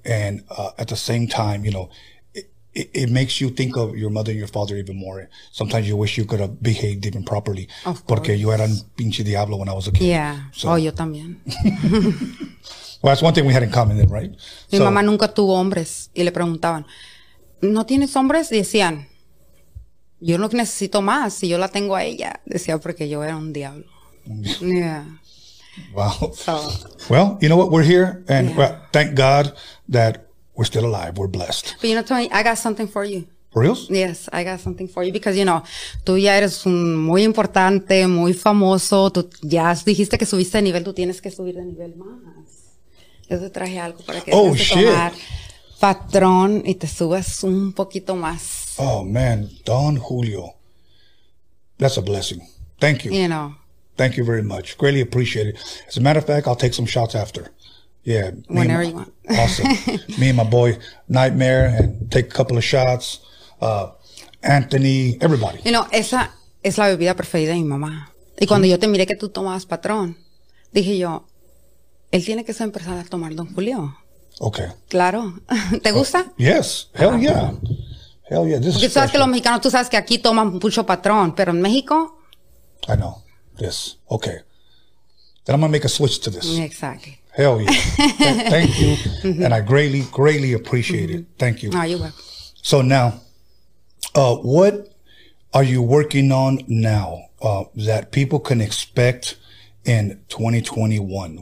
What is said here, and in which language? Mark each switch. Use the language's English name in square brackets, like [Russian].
[English] And at the same time, you know, it makes you think of your mother and your father even more. Sometimes you wish you could have behaved even properly. Of course. [Spanish] Porque yo era un pinche diablo [English] when I was a kid. Yeah. So. Oh, [Spanish] yo también. [English] Well, that's one thing we had in common then, right? [Spanish] Mi mamá nunca tuvo hombres. Y le preguntaban, ¿no tienes hombres? Y decían, yo no necesito más. Si yo la tengo a ella. Decía, porque yo era un diablo. Yeah. [English] Wow. So. Well, you know what? We're here. And yeah. Well, thank God that we're still alive. We're blessed. But you know, Tony, I got something for you. For reals? Yes, I got something for you. Because, you know, [Spanish] tú ya eres un muy importante, muy famoso. Tú ya dijiste que subiste de nivel. Tú tienes que subir de nivel más. Yo te traje algo para que tomar patrón y te subas un poquito más. [English] Oh, man. Don Julio. That's a blessing. Thank you. You know. Thank you very much. Greatly appreciate it. As a matter of fact, I'll take some shots after. Yeah. Whenever you want. Awesome. Me and my boy Nightmare, and take a couple of shots. Anthony, everybody. You know, [Spanish] esa es la bebida preferida de mi mamá. Y cuando yo te miré que tú tomabas patrón, dije yo, él tiene que empezar a tomar Don Julio. [English] Okay. [Spanish] Claro. ¿Te gusta? [English] Yes. Hell yeah. Hell yeah, this [Spanish] Porque [English] is special. [Spanish] Que los mexicanos, tú sabes que aquí toman mucho patrón, pero en México. [English] I know this. Okay. Then I'm going to make a switch to this. Exactly. Hell yeah. thank you. Mm-hmm. And I greatly, greatly appreciate mm-hmm. it. Thank you. Oh, you're welcome. So now, what are you working on now that people can expect in 2021?